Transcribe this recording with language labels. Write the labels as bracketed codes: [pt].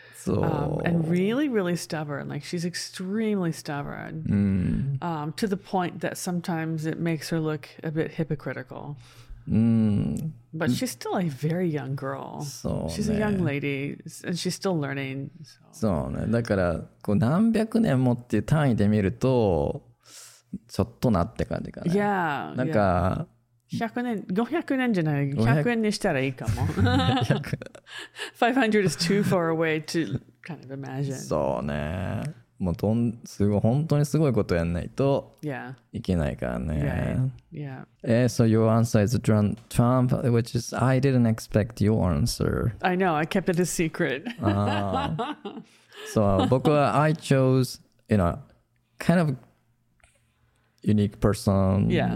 [en] So. And really, really stubborn. Like, she's extremely stubborn. To the point that sometimes it makes her look a bit hypocritical. But she's still a very young girl. So she's a young lady, and she's still learning. [ja] So, だからこう何百年もっていう単位で見るとちょっとなって感じかな。 [en] Yeah. [ja] なんか、 100年、500年じゃない、100円にしたらいいかも。 [en] 500 is too far away to kind of imagine. [ja] そうね。もうすごい、本当にすごいことやんないといけないからね。 [en] Yeah. Yeah. So your answer is Trump, which is, I didn't expect your answer. I know, I kept it a secret. So [ja] 僕は [en] I chose, you know, kind of unique person, yeah.